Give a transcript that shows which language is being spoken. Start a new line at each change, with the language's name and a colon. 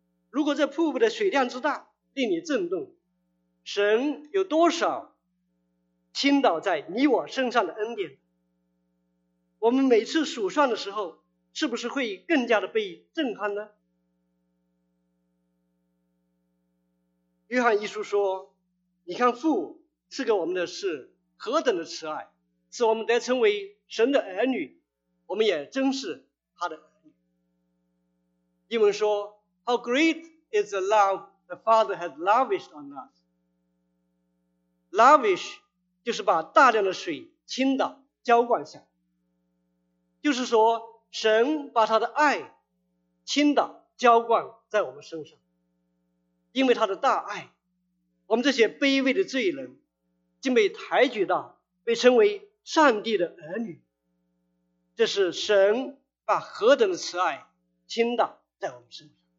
Chinese: 如果这瀑布的水量之大令你震动，神有多少倾倒在你我身上的恩典，我们每次数算的时候，是不是会更加的被震撼呢？约翰一书说，你看父赐给我们的是何等的慈爱，使我们得成为神的儿女，我们也真是他的儿女。英文说
English: How great is the love the Father has lavished on us.
Chinese: Lavish 就是把大量的水倾倒浇灌下，就是说神把他的爱倾倒浇灌在我们身上。因为他的大爱，我们这些卑微的罪人竟被抬举到被称为上帝的儿女，这是神把何等的慈爱倾倒在我们身上。